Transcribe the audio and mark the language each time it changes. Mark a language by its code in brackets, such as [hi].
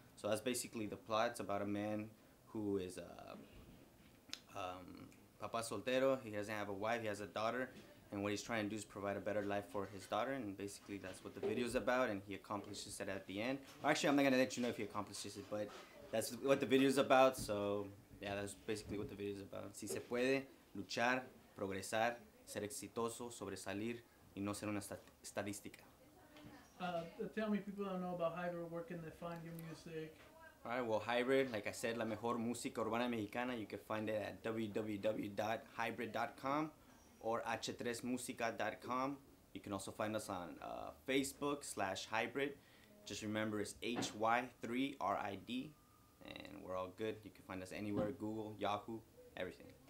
[en] So that's basically the plot. It's about a man who is [es] papá soltero. [en] He doesn't have a wife, he has a daughter. And what he's trying to do is provide a better life for his daughter. And basically that's what the video is about. And he accomplishes that at the end. Actually, I'm not gonna let you know if he accomplishes it, but that's what the video is about. So yeah, that's basically what the video is about. [es] Si se puede luchar, progresar, ser exitoso, sobresalir, y no ser una estadística. [en] Tell me, people don't know about HY3RID, where can they find your music? All right, well, HY3RID, like I said, [es] la mejor música urbana mexicana, [en] you can find it at www.hybrid.com or h3musica.com. You can also find us on Facebook/HY3RID. Just remember, it's HY3RID, and we're all good. You can find us anywhere, Google, Yahoo, everything.